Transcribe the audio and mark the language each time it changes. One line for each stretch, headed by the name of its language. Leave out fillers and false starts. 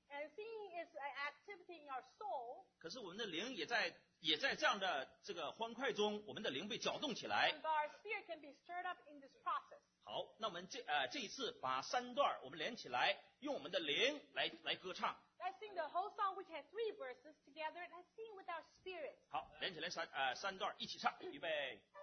English: And singing is an activity in your soul.
Chinese: 可是我们的灵也在这样的这个欢快中，我们的灵被搅动起来。
English: But our spirit can be stirred up in this process.
Chinese: 好，那我们这一次把三段我们连起来，用我们的灵来歌唱。
English: Let's sing the whole song which has three verses together. Let's sing with our spirit.
Chinese: 好，连起来三段一起唱，预备。